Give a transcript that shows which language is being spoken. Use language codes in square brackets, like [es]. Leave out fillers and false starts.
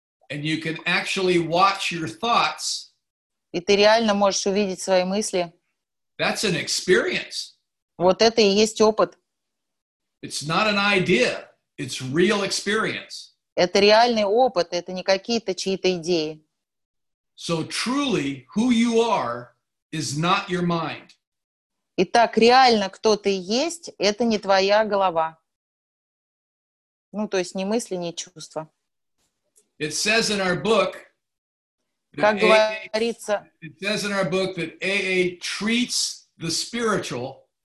[en] and you can actually watch your thoughts, [ru] и ты реально можешь увидеть свои мысли, [en] that's an experience. [ru] Вот это и есть опыт. [en] It's not an idea. It's real experience. [ru] Это реальный опыт. Это не какие-то чьи-то идеи. [en] So truly, who you are is not your mind. [ru] Итак, реально, кто ты есть, это не твоя голова. Ну, то есть ни мысли, ни чувства. [en] It says in our book, [ru] как говорится, [en] it says in our book that AA treats the spiritual.